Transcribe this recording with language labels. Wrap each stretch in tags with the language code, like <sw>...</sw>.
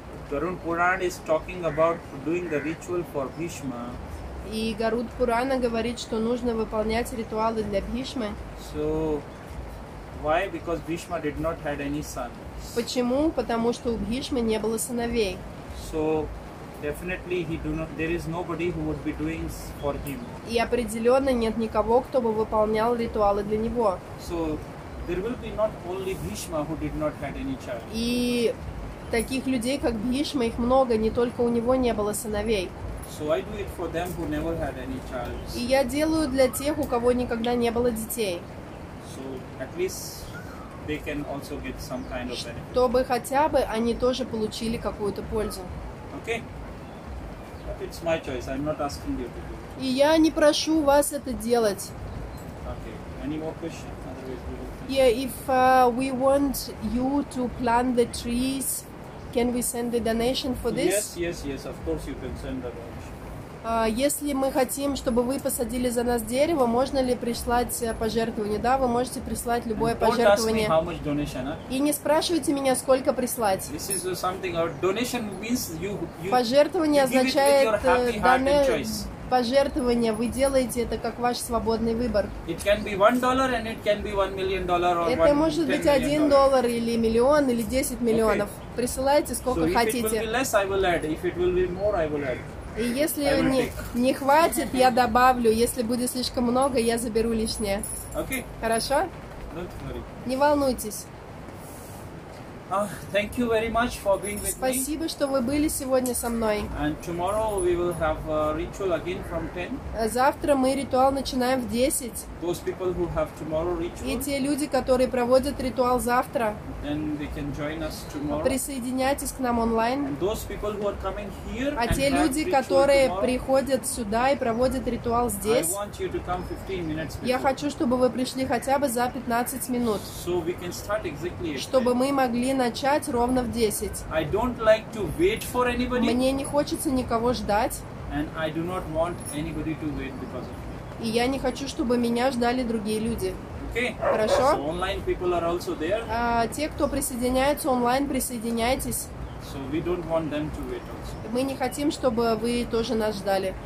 <en>Garud Purana is talking about doing the ritual for Bhishma.</en> <ru>И Гарут Пурана говорит, что нужно выполнять ритуалы для Бхишмы.</ru> <en>So, why? Because Bhishma did not have any sons.</en> <ru>Почему? Потому что у Бхишмы не было сыновей.</ru> <en>So, definitely he do not. There is nobody who would be doing for him.</en> <ru>И определенно нет никого, кто бы выполнял ритуалы для него.</ru> <en>So, there will be not only Bhishma who did not have any child.</en> <ru>И таких людей, как Бхишма, их много, не только у него не было сыновей.</ru> <en>So I do it for them who never had any child.</en> <ru>И я делаю для тех, у кого никогда не было детей.</ru> <en>So at least they can also get some kind of benefit.</en> <ru>Чтобы хотя бы они тоже получили какую-то пользу.</ru> <en>Okay. But it's my choice. I'm not asking you to do it.</en> <ru>И я не прошу вас это делать.</ru> <en>Okay. Any more questions? Yeah, if we want you to plant the trees, can we send the donation for this? Yes, of course you can send the donation.</en> <ru>Если мы хотим, чтобы вы посадили за нас дерево, можно ли прислать пожертвование? Да, вы можете прислать любое пожертвование.</ru> <en>Don't ask me how much donation, huh?</en> <ru>И не спрашивайте меня, сколько прислать.</ru> <en>This is something, our donation means you</en> <ru>пожертвование означает</ru> <en>give it with your happy heart and choice.</en> <ru>Пожертвование, вы делаете это как ваш свободный выбор.</ru> <en>It can be $1 and it can be $1 million or</en> <ru>это может быть $1 или миллион, или 10 миллионов.</ru> <en>Okay.</en> <ru>Присылайте сколько хотите. И если не хватит, я добавлю. Если будет слишком много, я заберу лишнее.</ru> <en>Okay.</en> <ru>Хорошо? Не волнуйтесь.</ru> <en>Thank you very much for being with</en> <ru>спасибо,</ru> <en>me.</en> <ru>Спасибо, что вы были сегодня со мной.</ru> <en>And tomorrow we will have a ritual again from 10.</en> <ru>Завтра мы ритуал начинаем в 10.</ru> <en>Those people who have tomorrow ritual.</en> <ru>И те люди, которые проводят ритуал завтра.</ru> <en>Then they can join us tomorrow.</en> <ru>Присоединяйтесь к нам онлайн.</ru> <en>And those people who are coming here.</en> <ru>А те люди, которые приходят сюда и проводят ритуал здесь.</ru> <en>I want you to come 15 minutes before.</en> <ru>Я хочу, чтобы вы пришли хотя бы за 15 минут.</ru> <en>So we can start exactly.</en> <ru>Чтобы мы могли начать ровно в 10.</ru> <en>I don't like to wait for anybody.</en> <ru>Мне не хочется никого ждать.</ru> <en>And I do not want anybody to wait because of me.</en> <ru>И я не хочу, чтобы меня ждали другие люди. Хорошо.</ru> <en>Онлайн people are also there.</en> <ru>Те, кто присоединяется онлайн, присоединяйтесь.</ru> <en>So we don't want them to wait also.</en> <ru>Мы не хотим, чтобы вы тоже нас ждали.</ru>